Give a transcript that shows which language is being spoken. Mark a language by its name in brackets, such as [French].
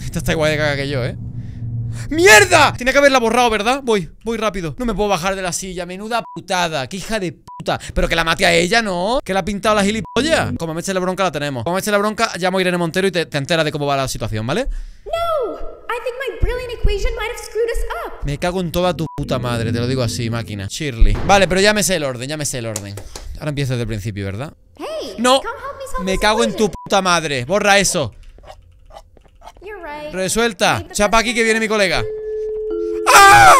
[Spanish] Esta está igual de caga que yo, ¿eh? ¡Mierda! Tiene que haberla borrado, ¿verdad? Voy, voy rápido. No me puedo bajar de la silla. Menuda putada. ¡Qué hija de puta! Pero que la mate a ella, ¿no? ¿Que la ha pintado la gilipollas? Como me eche la bronca, la tenemos. Como me eche la bronca, llamo a Irene Montero y te enteras de cómo va la situación, ¿vale? ¡No! [English] I think my brilliant equation might have screwed us up. [Spanish] Me cago en toda tu puta madre. Te lo digo así, máquina. Shirley. Vale, pero ya me sé el orden, ya me sé el orden. Ahora empiezo desde el principio, ¿verdad? ¡Hey! ¡No! [English] Come help me solve [Spanish] me cago [English] equation. [Spanish] En tu puta madre. Borra eso. Resuelta. Chapa aquí que viene mi colega. ¡Ah!